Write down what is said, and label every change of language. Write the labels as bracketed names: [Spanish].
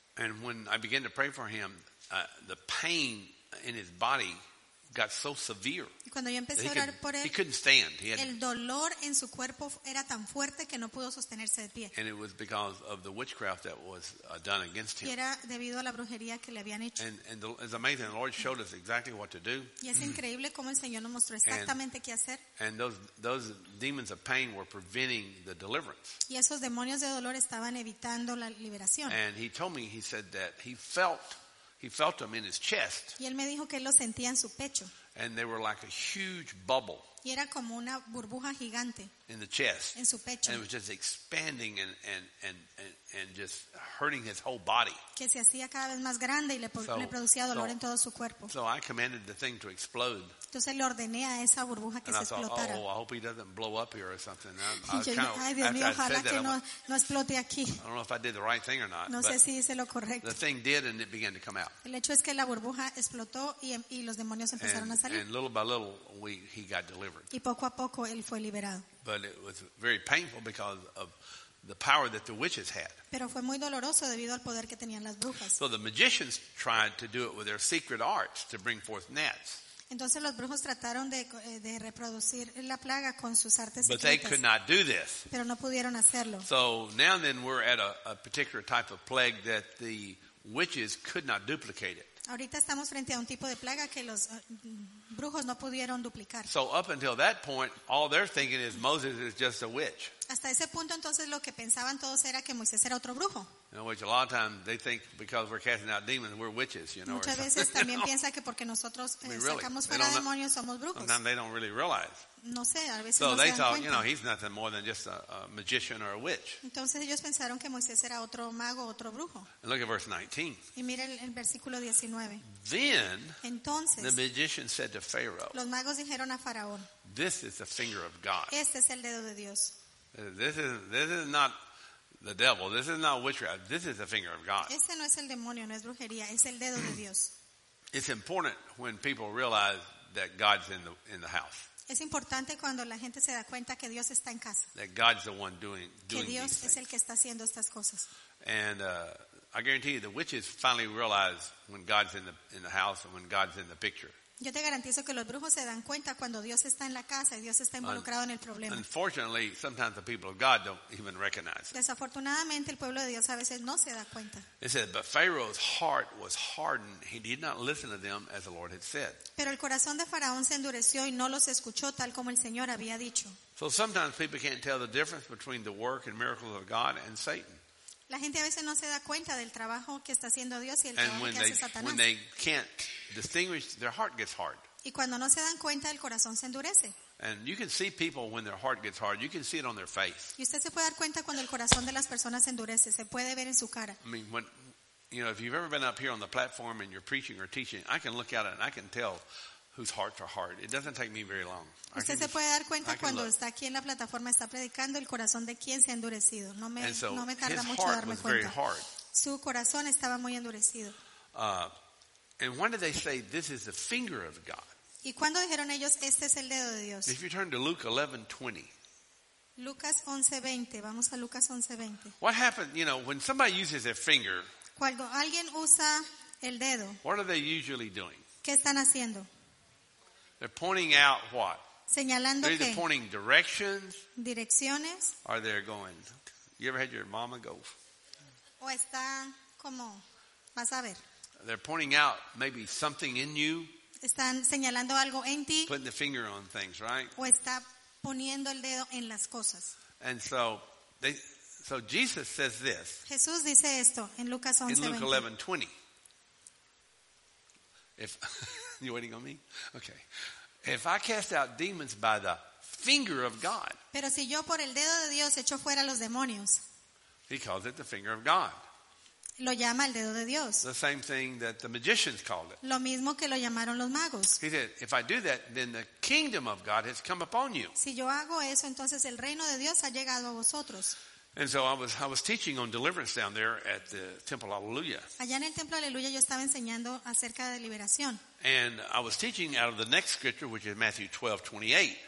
[English] And when I began to pray for him, the pain in his body got so severe. [Spanish] Cuando yo empecé a orar por él, [English] he couldn't stand. He had [Spanish] el dolor en su cuerpo era tan fuerte que no pudo sostenerse de pie. [English] And it was because of the witchcraft that was done against him. [Spanish] Y era debido a la brujería que le habían hecho. [English] And it's amazing. The Lord showed us exactly what to do. [Spanish] Y es increíble cómo el Señor nos mostró exactamente qué hacer. [English] And those demons of pain were preventing the deliverance. [Spanish] Y esos demonios de dolor estaban evitando la liberación. [English] And he told me, he said that he felt them in his chest. [Spanish] Y él me dijo que él lo sentía en su pecho. [English] And they were like a huge bubble. [Spanish] Y era como una burbuja gigante. [English] In the chest. [Spanish] En su pecho. [English] And it was just expanding and just hurting his whole body. [Spanish] Que se hacía cada vez más grande y le producía dolor en todo su cuerpo. [English] So I commanded the thing to explode. [Spanish] Entonces le ordené a esa burbuja que [English] and [Spanish] se explotara. [English] Thought, oh, I hope he doesn't blow up here or something. [Spanish] Y yo dije, ay, Dios mío, ojalá que no explote aquí. [English] I don't know if I did the right thing or not. [Spanish] No sé si hice lo correcto. [English] The thing did and it began to come out. [Spanish] El hecho es que la burbuja explotó y los demonios empezaron a salir. [English] And little by little, he got delivered. [Spanish] Y poco a poco él fue liberado. [English] But it was very painful because of the power that the witches had. [Spanish] Pero fue muy doloroso debido al poder que tenían las brujas. [English] So the magicians tried to do it with their secret arts to bring forth gnats. [Spanish] Entonces los brujos trataron de reproducir la plaga con sus artes secretas. [English] But they could not do this. [Spanish] Pero no pudieron hacerlo. [English] So now then we're at a particular type of plague that the witches could not duplicate it. [Spanish] Ahorita estamos frente a un tipo de plaga que los brujos no pudieron duplicar. [English] So up until that point, all they're thinking is Moses is just a witch. [Spanish] Hasta ese punto entonces lo que pensaban todos era que Moisés era otro brujo. [English] Which a lot of times they think because we're casting out demons, we're witches, you know. [Spanish] Muchas veces también piensa que porque nosotros sacamos fuera demonios somos brujos. [English] Sometimes they don't really realize. [Spanish] No sé, a veces [English] so [Spanish] no [English] they [Spanish] se [English] thought, [Spanish] cuenta. [English] You know, he's nothing more than just a magician or a witch. [Spanish] Entonces ellos pensaron que Moisés era otro mago, otro brujo. [English] And look at verse 19. [Spanish] Y mira el versículo 19. [English] Then, [Spanish] entonces, [English] the magician said to Pharaoh. [Spanish] Los magos dijeron a Faraón. [English] This is the finger of God. [Spanish] Este es el dedo de Dios. [English] This is not the devil. This is not witchcraft. This is the finger of God. [Spanish] Este no es el demonio, no es brujería. Es el dedo de Dios. [English] It's important when people realize that God's in the house. [Spanish] Es importante cuando la gente se da cuenta que Dios está en casa. [English] That God's the one doing [Spanish] que Dios [English] these things. [Spanish] Es el que está haciendo estas cosas. [English] And I guarantee you, the witches finally realize when God's in the house and when God's in the picture. [Spanish] Yo te garantizo que los brujos se dan cuenta cuando Dios está en la casa y Dios está involucrado en el problema. [English] Unfortunately, sometimes the people of God don't even recognize it. [Spanish] Desafortunadamente, el pueblo de Dios a veces no se da cuenta. [English] It says, but Pharaoh's heart was hardened; he did not listen to them as the Lord had said. [Spanish] Pero el corazón de Faraón se endureció y no los escuchó tal como el Señor había dicho. [English] So sometimes people can't tell the difference between the work and miracles of God and Satan. [Spanish] La gente a veces no se da cuenta del trabajo que está haciendo Dios y el trabajo que hace Satanás. [English] When they can't distinguish, their heart gets hard. [Spanish] Y cuando no se dan cuenta, el corazón se endurece. [English] And you can see people when their heart gets hard. You can see it on their face. [Spanish] Y usted se puede dar cuenta cuando el corazón de las personas se endurece. Se puede ver en su cara. [English] I mean, when, you know, if you've ever been up here on the platform and you're preaching or teaching, I can look at it and I can tell whose hearts are hard. It doesn't take me very long. [Spanish] Usted se puede dar cuenta cuando está aquí en la plataforma, está predicando, el corazón de quién se ha endurecido. No me tarda mucho darme cuenta. Su corazón estaba muy endurecido. [English] And when did they say this is the finger of God? [Spanish] ¿Y cuándo dijeron ellos este es el dedo de Dios? [English] If you turn to Luke 11:20. [Spanish] Lucas 11:20, vamos a Lucas 11:20. [English] What happens, you know, when somebody uses their finger? [Spanish] Cuando alguien usa el dedo. [English] What are they usually doing? [Spanish] ¿Qué están haciendo? [English] They're pointing out what? [Spanish] Señalando qué? [English] They're pointing directions. [Spanish] Direcciones. [English] Are they going? You ever had your mama go? [Spanish] O está como, vas a ver. [English] They're pointing out maybe something in you. [Spanish] Están señalando algo en ti. [English] Putting the finger on things, right? [Spanish] O está poniendo el dedo en las cosas. [English] And so they, so Jesus says this. [Spanish] Jesús dice esto en Lucas 11:20. [English] In Luke 11:20. If you waiting on me? Okay. If I cast out demons by the finger of God. [Spanish] Pero si yo por el dedo de Dios echo fuera los demonios. [English] He calls it the finger of God. [Spanish] Lo llama el dedo de Dios. [English] The same thing that the magicians called it. [Spanish] Lo mismo que lo llamaron los magos. [English] He said, if I do that, then the kingdom of God has come upon you. [Spanish] Si yo hago eso, entonces el reino de Dios ha llegado a vosotros. [English] And so I was teaching on deliverance down there at the Temple Hallelujah. [Spanish] Allá en el Templo Aleluya yo estaba enseñando acerca de liberación. [English] And I was teaching out of the next scripture, which is Matthew 12:28.